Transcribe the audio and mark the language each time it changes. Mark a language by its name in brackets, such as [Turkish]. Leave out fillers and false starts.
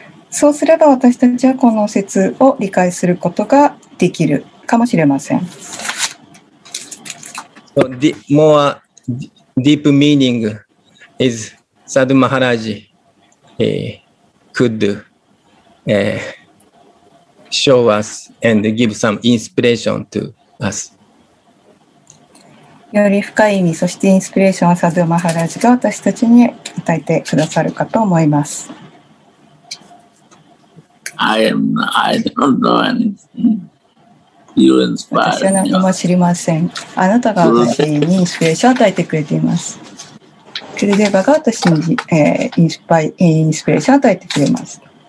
[Japanese] そうすれば私たちはこの説を理解することができるかもしれません。 [English] So, the more deep meaning is Sadhu Maharaj could show us and give some inspiration to us. [Japanese] より深い意味、そしてインスピレーションをサドゥ・マハラージが私たちに与えてくださるかと思います。 [English] I don't know anything. You inspire me. [Japanese] 私は何も知りません。あなたが私にインスピレーションを与えてくれています。クルデバが私に、インスピレーションを与えてくれます。